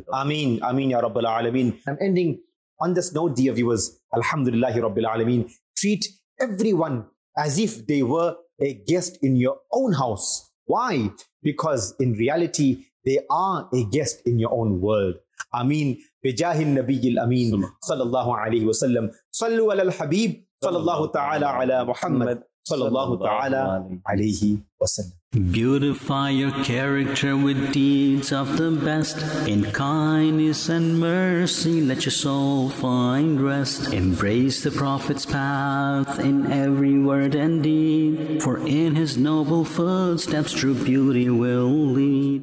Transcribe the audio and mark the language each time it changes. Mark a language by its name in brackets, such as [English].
[English] talk. Ameen. Ameen, ya Rabbil Alameen. I'm ending on this note, dear viewers. Alhamdulillah, ya Rabbil Alameen. Treat everyone as if they were a guest in your own house. Why? Because in reality, they are a guest in your own world. Ameen. [Arabic] بجاه النبي الأمين صلى الله عليه وسلم صلوا على الحبيب صلى الله تعالى على محمد صلى الله تعالى عليه وسلم. [English] Beautify your character with deeds of the best. In kindness and mercy, let your soul find rest. Embrace the Prophet's path in every word and deed. For in his noble footsteps, true beauty will lead.